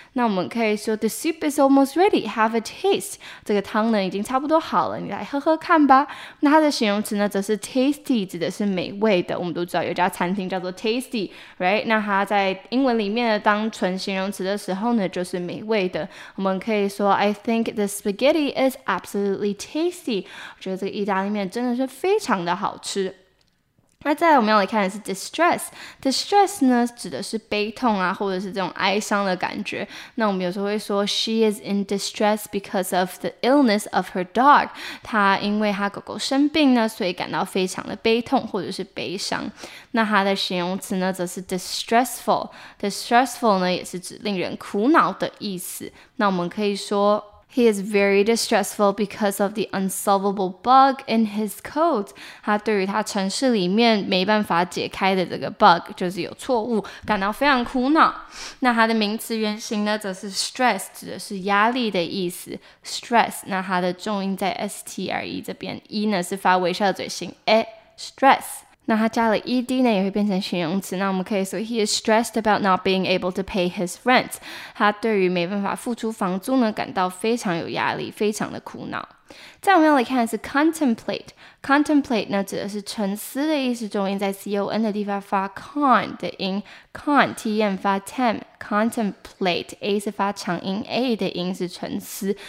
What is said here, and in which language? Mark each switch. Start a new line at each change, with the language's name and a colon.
Chinese: 那我们可以说
English: the soup is almost ready, have a taste.
Chinese: 这个汤呢已经差不多好了，你来喝喝看吧。那它的形容词呢则是 tasty， 指的是美味的。我们都知道有家餐厅叫做 tasty， right？那它在英文里面当纯形容词的时候呢就是美味的。我们可以说
English: I think the spaghetti is absolutely tasty.
Chinese: 我觉得这个意大利面真的是非常的好吃。那再来我们要来看的是 distress 呢指的是悲痛啊，或者是这种哀伤的感觉。那我们有时候会说
English: She is in distress because of the illness of her dog.
Chinese: 她因为她狗狗生病呢，所以感到非常的悲痛或者是悲伤。那它的形容词呢则是 distressful 呢也是指令人苦恼的意思。那我们可以说
English: He is very distressful because of the unsolvable bug in his coat.
Chinese: 他对于他城市里面没办法解开的这个 bug 就是有错误，感到非常苦恼。那他的名词原型呢，则是 stress， 指的是压力的意思。 stress， 那他的重音在 stre 这边 ，e 呢是发微笑的嘴型 ，e stress。那它加了 ed 呢，也会变成形容词。那我们可以说
English: ，He is stressed about not being able to pay his rent.
Chinese: 他对于没办法付出房租呢，感到非常有压力，非常的苦恼。再我们要来看的是 contemplate。contemplate 呢，指的是沉思的意思，重音在 con 的地方发 con 的音 ，con t m 发 tem。 contemplate a 是发长音 ，a 的音是沉思。